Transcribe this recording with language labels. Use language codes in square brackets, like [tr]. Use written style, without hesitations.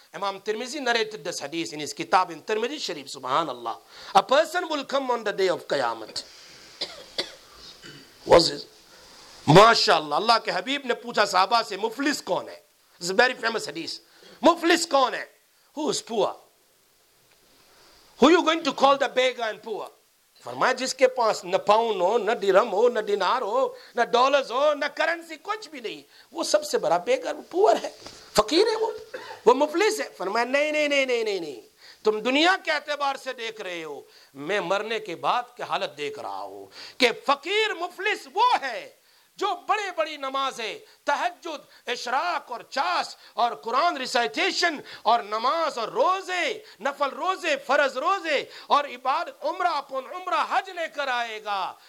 [en] امام Tirmidhi narrated this حدیث in [ur] اس کتاب [en] in Tirmidhi شریف, [ur] سبحان اللہ. [en] A person will come on the day of قیامت. [ur] ماشاءاللہ. اللہ کے حبیب نے پوچھا صحابہ سے مفلس کون ہے, [en] it's a very famous حدیث, [ur] مفلس کون ہے؟ [en] Who is poor? Who you going to call the beggar and poor? [ur] فرمایا جس کے پاس نہ پاؤن ہو, نہ درہم ہو, نہ دینار ہو, نہ ڈالرز ہو, نہ کرنسی, کچھ بھی نہیں, وہ سب سے بڑا [en] beggar, poor [ur] ہے, فقیر ہے, وہ مفلس ہے. فرمایا نہیں نہیں نہیں نہیں نہیں, تم دنیا کے اعتبار سے دیکھ رہے ہو, میں مرنے کے بعد کی حالت دیکھ رہا ہوں کہ فقیر مفلس وہ ہے جو بڑے بڑی نمازیں, تہجد, اشراق اور چاس اور قرآن ریسائٹیشن اور نماز اور روزے, نفل روزے, فرض روزے اور عبادت, عمرہ اپن عمرہ, حج لے کر آئے گا